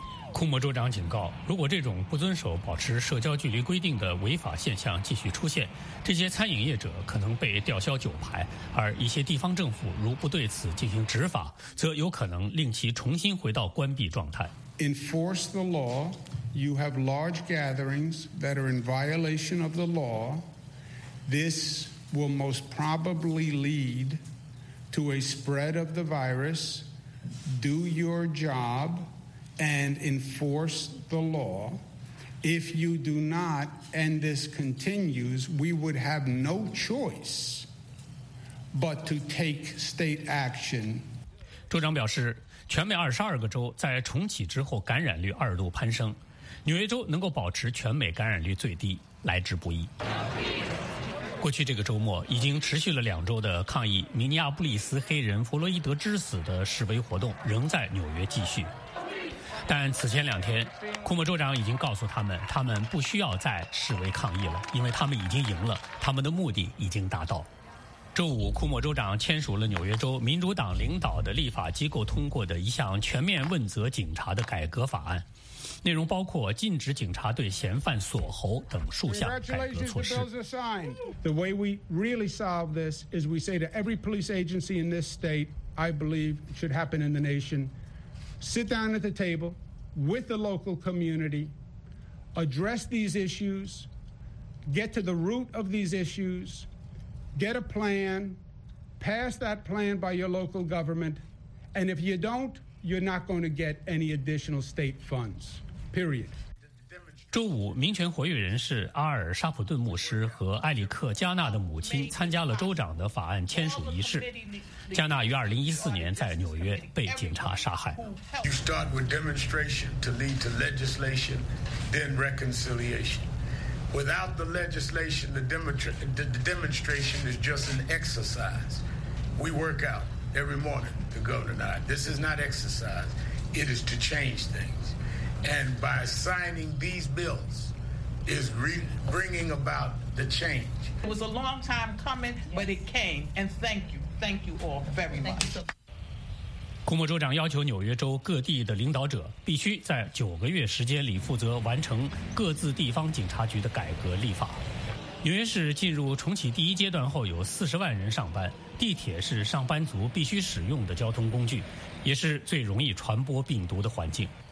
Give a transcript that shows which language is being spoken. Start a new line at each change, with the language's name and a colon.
Chinese: 库莫州长警告，如果这种不遵守保持社交距离规定的违法现象继续出现，这些餐饮业者可能被吊销酒牌，而一些地方政府如不对此进行执法，则有可能令其重新回到关闭状态。
English: Enforce the law. You have large gatherings that are in violation of the law. This will most probably lead to a spread of the virus. Do your job. And enforce the law. If you do not, and this continues, we would have no choice but to take state action.
Chinese: 州长表示，全美22个州在重启之后感染率二度攀升，纽约州能够保持全美感染率最低，来之不易。过去这个周末已经持续了2周的抗议明尼阿波利斯黑人弗洛伊德之死的示威活动仍在纽约继续。但此前2天，库莫州长已经告诉他们，他们不需要再示威抗议了，因为他们已经赢了，他们的目的已经达到。周五，库莫州长签署了纽约州民主党领导的立法机构通过的一项全面问责警察的改革法案，内容包括禁止警察对嫌犯锁喉等数项改革措施。
English: The way we really solve this is we say to every police agency in this state, I believe should happen in the nation. Sit down at the table with the local community, address these issues, get to the root of these issues, get a plan, pass that plan by your local government, and if you don't, you're not going to get any additional state funds, period.
Chinese: 周五，民权活跃人士阿尔沙普顿牧师和埃里克加纳的母亲参加了州长的法案签署仪式。加纳于2014年在纽约被警察杀害。
English: You start with demonstration to lead to legislation, then reconciliation. Without the legislation, the demonstration is just an exercise. We work out every morning, the governor and I. This is not exercise. It is to change things. And by signing these bills, is bringing about the change. It was a long time coming, but it came. And thank you. Thank you all very much.
Chinese: 库莫州长要求纽约州各地的领导者必须在9个月时间里负责完成各自地方警察局的改革立法。纽约市进入重启第一阶段后，有40万人上班，地铁是上班族必须使用的交通工具，也是最容易传播病毒的环境。